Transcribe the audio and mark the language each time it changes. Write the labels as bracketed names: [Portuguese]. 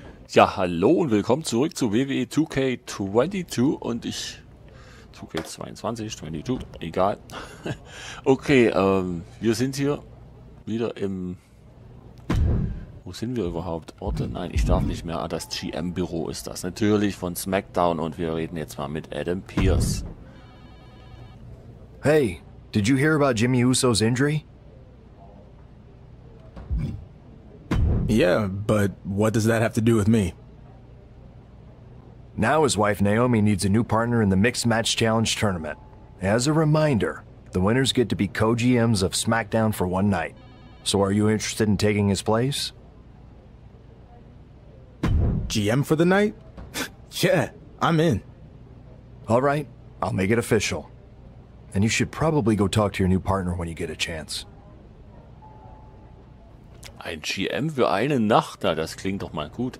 [German] Ja, hallo und willkommen zurück zu WWE 2K22 und ich 2K22, 22, egal. Okay, wir sind hier wieder im. Wo sind wir überhaupt? Orte? Nein, ich darf nicht mehr. Ah, das GM-Büro ist das natürlich von SmackDown und wir reden jetzt mal mit Adam Pearce. [English] Hey, did you hear about Jimmy Uso's injury? Yeah, but what does that have to do with me? Now his wife Naomi needs a new partner in the Mixed Match Challenge tournament. As a reminder, the winners get to be co-GMs of SmackDown for one night. So are you interested in taking his place? GM for the night? Yeah, I'm in. All right, I'll make it official. And you should probably go talk to your new partner when you get a chance. [German] Ein GM für eine Nacht, na, das klingt doch mal gut.